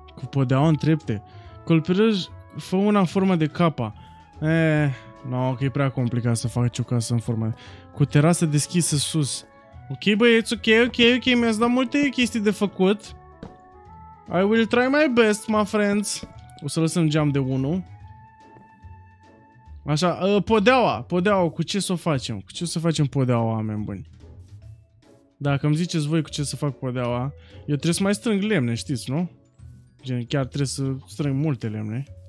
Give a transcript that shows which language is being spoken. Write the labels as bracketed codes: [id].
[ro] Podeaua întrepte. Culpirăj, fă una în formă de capa. Nu, no, că e prea complicat să faci o casă în formă. Cu terasă deschisă sus. Ok, băieți, ok, mi-ați dat multe chestii de făcut. [en] I will try my best, my friends. [ro] O să lăsăm geam de 1. Așa, podeaua, cu ce să o facem? Cu ce să facem podeaua, oameni buni? Dacă îmi ziceți voi cu ce să fac podeaua, eu trebuie să mai strâng lemne, știți, nu? Gen, chiar trebuie să strâng multe lemne.